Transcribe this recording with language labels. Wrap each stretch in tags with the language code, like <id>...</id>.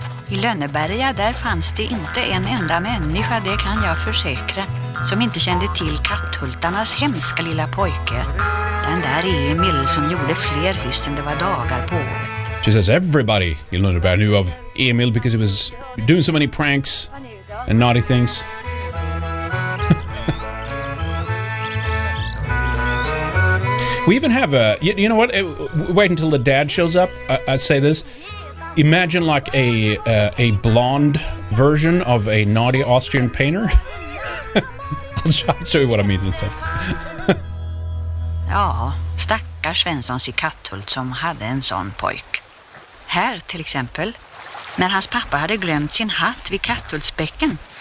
<sv>I Lönneberga, där fanns det inte en enda människa, det kan jag försäkra, som inte kände till Katthultarnas hemska lilla pojke. Den där Emil som gjorde fler hus än det var dagar på året.</sv> <en>She says everybody in Lönneberga knew of Emil because he was doing so many pranks and naughty things. We even have you know what? Wait until the dad shows up. I say this. Imagine like a blonde version of a naughty Austrian painter. I'll show you what I mean in a second.</en> <sv>Ja, stackars Svenssons i Katthult som hade en sån pojk. Här till exempel, när hans pappa hade glömt sin hatt vid Katthultsbäcken.</sv>